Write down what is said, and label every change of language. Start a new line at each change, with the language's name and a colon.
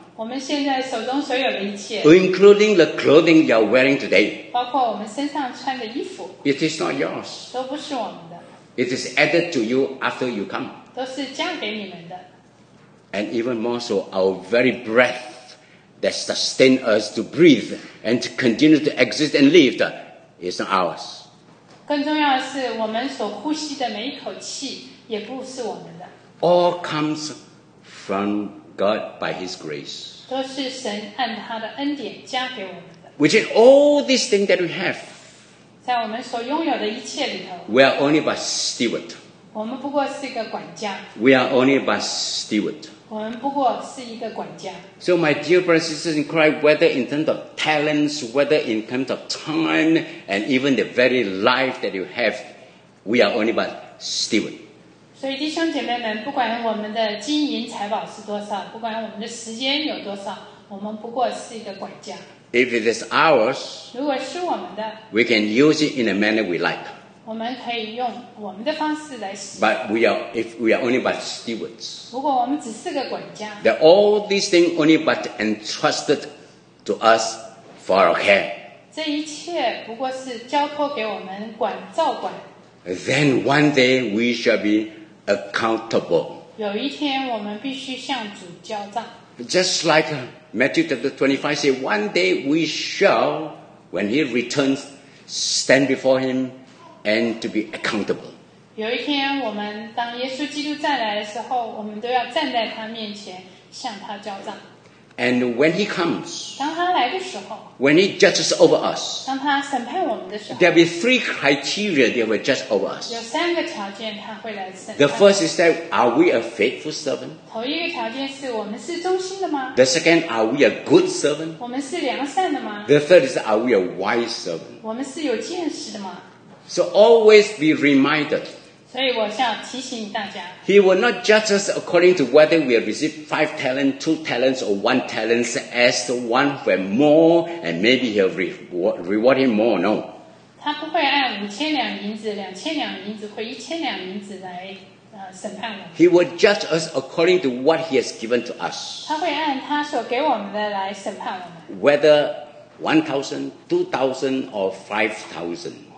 Chinese: 我们现在手中所有的一切。
English: Including the clothing you are wearing today.
Chinese: 包括我们身上穿的衣服。
English: It is not yours.
Chinese: 都不是我们的。
English: It is added to you after you come.
Chinese: 都是嫁给你们的。
English: And even more so, our very breath that sustains us to breathe and to continue to exist and live is not ours.
Chinese: 更重要的是我们所呼吸的每一口气。也不是我们的。
English: All comes from God by His grace.
Chinese: 都是神按他的恩典加给我们的。
English: Which is all these things that we have.
Chinese: 在我们所拥有的一切里头。
English: We are only but steward.
Chinese: 我们不过是一个管家。
English: We are only but steward.
Chinese: 我们不过是一个管家。
English: So my dear brothers and sisters in Christ, whether in terms of talents, whether in terms of time, and even the very life that you have, we are only but steward.
Chinese: 所以弟兄姐妹们，不管我们的金银财宝是多少，不管我们的时间有多少，我们不过是一个管家。
English: If it is ours,
Chinese: 如果是我们的，
English: we can use it in a manner we like.
Chinese: 我们可以用我们的方式来使用。
English: But if we are only but stewards,
Chinese: 如果我们只是个管家，
English: that all these things only but entrusted to us for our care.
Chinese: 这一切不过是交托给我们管照管。
English: Then one day we shall be accountable.
Chinese: 有一天我们必须向主交账。
English: Just like Matthew chapter 25 says, one day we shall, when he returns, stand before him and to be accountable.
Chinese: 有一天我们当耶稣基督再来的时候，我们都要站在他面前向他交账。
English: And when he comes,
Chinese: 当他来的时候，
English: when he judges over us,
Chinese: 当他审判我们的时候，
English: there will be three criteria that will judge over us.
Chinese: 有三个条件他会来审判。
English: The first is that, are we a faithful servant?
Chinese: 头一个条件是我们是忠心的吗？
English: The second, are we a good servant?
Chinese: 我们是良善的吗？
English: The third is, are we a wise servant?
Chinese: 我们是有见识的吗？
English: So always be reminded,
Chinese: 所以我想提醒大家，
English: He will not judge us according to whether we have received 5 talents, 2 talents or 1 talents as the one who have more and maybe he'll reward him more, no.
Chinese: 他不会按5千两银子、2千两银子或1千两银子来审判我们。
English: He will judge us according to what he has given to us.
Chinese: 他会按他所给我们的来审判我们。
English: Whether 1,000, 2,000 or 5,000.